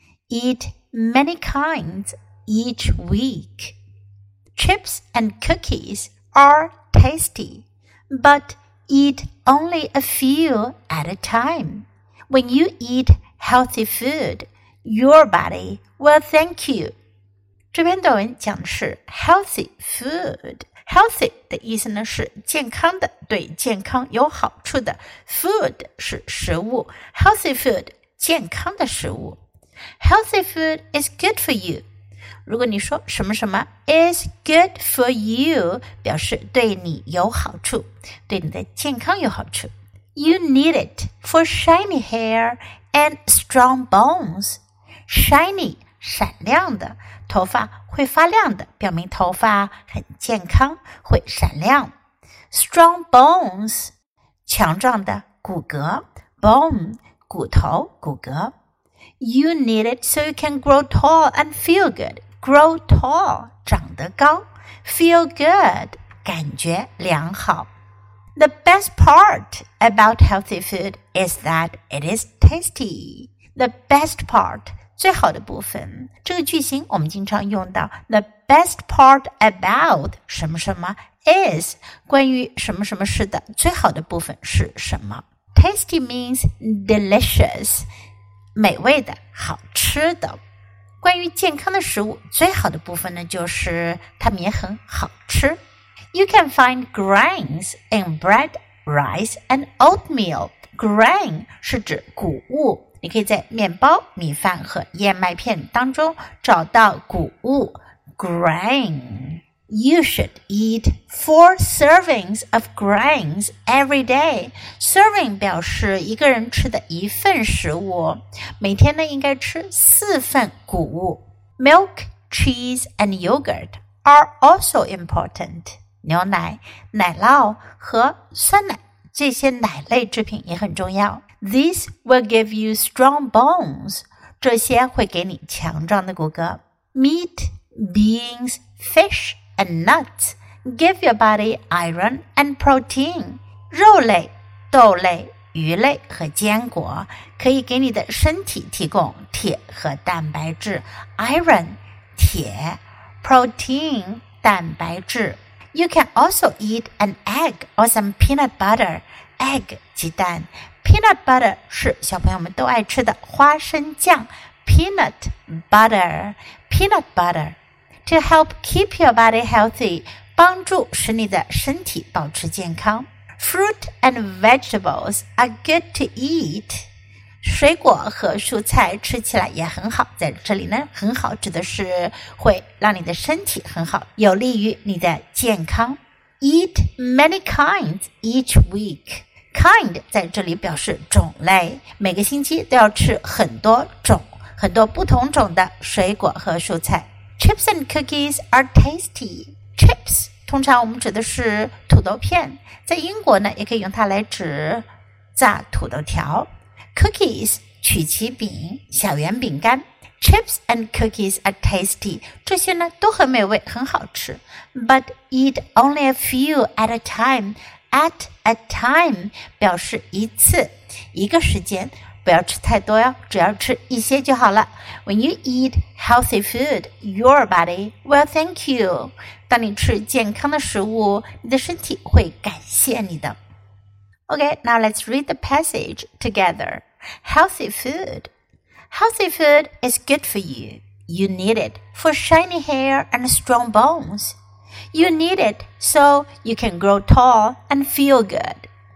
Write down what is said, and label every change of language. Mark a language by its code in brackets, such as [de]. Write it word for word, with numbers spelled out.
[en] Eat many kinds each week. Chips and cookies are tasty, but eat only a few at a time. When you eat healthy food, your body will thank you. [zh] 这篇短文讲的是 healthy food. Healthy 的意思呢是健康的，对健康有好处的。 Food 是食物 ，healthy food 健康的食物。 [en] Healthy food is good for you。 [zh] 如果你说什么什么 [en] is good for you， [zh] 表示对你有好处，对你的健康有好处。 [en] You need it for shiny hair and strong bones. Shiny. [zh] 闪亮的，头发会发亮的，表明头发很健康，会闪亮。 [en] Strong bones， [zh] 强壮的骨骼 ，bone， 骨头，骨骼。 [en] You need it so you can grow tall and feel good. Grow tall， [zh] 长得高 ， [en] feel good， [zh] 感觉良好。 [en] The best part about healthy food is that it is tasty. The best part. [zh] 最好的部分，这个句型我们经常用到 [en] the best part about [zh] 什么什么 is 关于什么什么事的最好的部分是什么。 [en] Tasty means delicious， [zh] 美味的，好吃的。关于健康的食物，最好的部分呢就是它们也很好吃。 [en] You can find grains in bread, rice, and oatmeal. [zh] Grain 是指谷物。你可以在面包、米饭和燕麦片当中找到谷物 grain. [en] You should eat four servings of grains every day. [zh] Serving 表示一个人吃的一份食物，每天呢应该吃四份谷物。 [en] Milk, cheese, and yogurt are also important. [zh] 牛奶、奶酪和酸奶这些奶类制品也很重要。 [en] These will give you strong bones. [zh] 这些会给你强壮的骨骼。 [en] Meat, beans, fish, and nuts give your body iron and protein. [zh] 肉类、豆类、鱼类和坚果可以给你的身体提供铁和蛋白质。 Iron, 铁 ，protein, 蛋白质。 [en] You can also eat an egg or some peanut butter. [zh] Egg, 鸡蛋。 Peanut butter 是小朋友们都爱吃的花生酱。 [en] Peanut butter, peanut butter. To help keep your body healthy, [zh] 帮助使你的身体保持健康。 [en] Fruit and vegetables are good to eat. [zh] 水果和蔬菜吃起来也很好，在这里呢，很好指的是会让你的身体很好，有利于你的健康。 [en] Eat many kinds each week. [zh] Kind 在这里表示种类，每个星期都要吃很多种，很多不同种的水果和蔬菜。 [en] Chips and cookies are tasty. [zh] Chips 通常我们指的是土豆片，在英国呢，也可以用它来指炸土豆条。 Cookies 曲奇饼、小圆饼干。 [en] Chips and cookies are tasty. [zh] 这些呢都很美味，很好吃。 [en] But eat only a few at a time. At a time [zh] 表示一次，一个时间。不要吃太多哟，只要吃一些就好了。 [en] When you eat healthy food, your body will thank you. [zh] 当你吃健康的食物，你的身体会感谢你的。 [en] Okay, now let's read the passage together. Healthy food. Healthy food is good for you. You need it for shiny hair and strong bones. You need it so you can grow tall and feel good.